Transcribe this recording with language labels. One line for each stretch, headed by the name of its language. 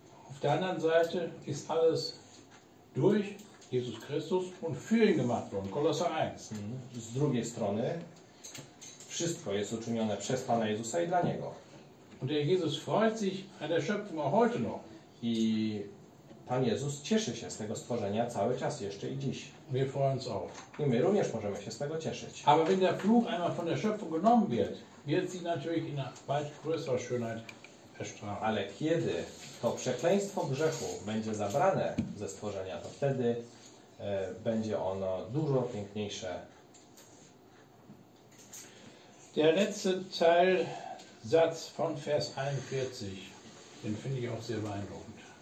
German: auf der anderen Seite ist alles durch Jesus Christus und für ihn gemacht worden. Kolosser 1.
Polish: Z drugiej strony wszystko jest uczynione przez Pana Jezusa i dla Niego.
German: Und der Jesus freut sich an der Schöpfung auch heute noch.
Polish: I Pan Jezus cieszy się z tego stworzenia cały czas, jeszcze i dziś.
German: Wir freuen uns auch.
Polish: I my również możemy się z tego cieszyć.
German: Aber wenn der Fluch einmal von der Schöpfung genommen wird, wird sie natürlich in weit größerer Schönheit erstrahlen.
Polish: Ale kiedy to przekleństwo grzechu będzie zabrane ze stworzenia, to wtedy będzie ono dużo piękniejsze.
German: Der letzte Teil Satz von Vers 41, den finde ich auch sehr beeindruckend.